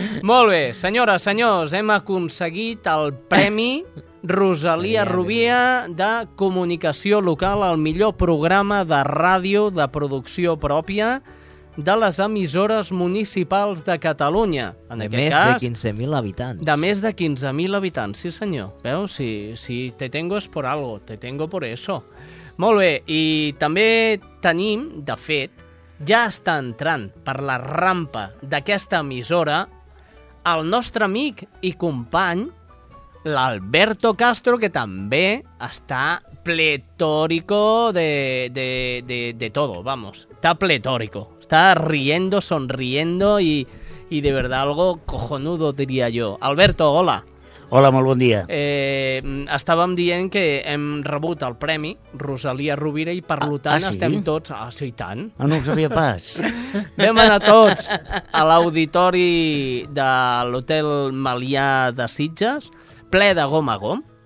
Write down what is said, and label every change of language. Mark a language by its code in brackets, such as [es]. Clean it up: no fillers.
[ca] Molt bé, senyores, senyors, hem aconseguit el premi Rosalía Rubia de Comunicació Local, el millor programa de ràdio de producció pròpia de les emissores municipals de Catalunya. En aquest cas... De més de 15.000 habitants. De més de 15.000 habitants, sí, senyor. Veus? [es] Si te tengo es por algo, te tengo por eso. [ca] Molt bé, i també tenim, de fet, ja està entrant per la rampa d'aquesta emissora el nostre amic i company, l'Alberto Castro, que també està [es] pletòrico de todo, vamos. Está pletórico. Está riendo, sonriendo y de verdad algo cojonudo, diría yo. [ca] Alberto, hola. Hola, molt bon dia. Estàvem dient que hem rebut el premi Rosalía Rubira i per tant, sí? Estem tots... Ah, sí, tant. Ah, no ho sabia pas. Vam anar tots a l'auditori de l'hotel Malià de Sitges, ple de gom a gom.